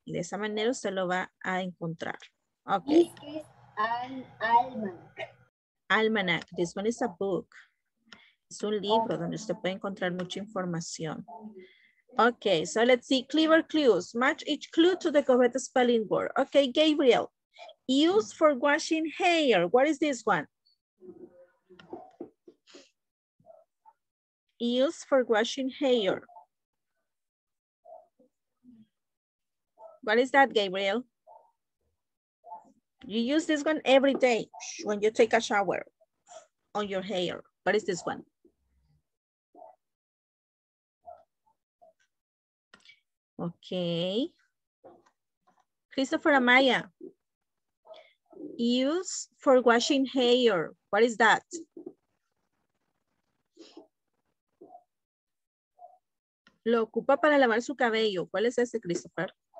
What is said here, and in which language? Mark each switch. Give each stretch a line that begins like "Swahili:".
Spanish: Y de esa manera usted lo va a encontrar. Okay.
English: This is an almanac. Almanac. This one is a book.
Spanish: Es un libro donde usted puede encontrar mucha información.
English: Okay, so let's see, clever clues. Match each clue to the correct spelling word. Okay, Gabriel, use for washing hair. What is this one? Use for washing hair. What is that, Gabriel? You use this one every day when you take a shower on your hair. What is this one? Okay, Christopher Amaya, use for washing hair, what is that?
Spanish: Lo ocupa para lavar su cabello, ¿cuál es ese, Christopher?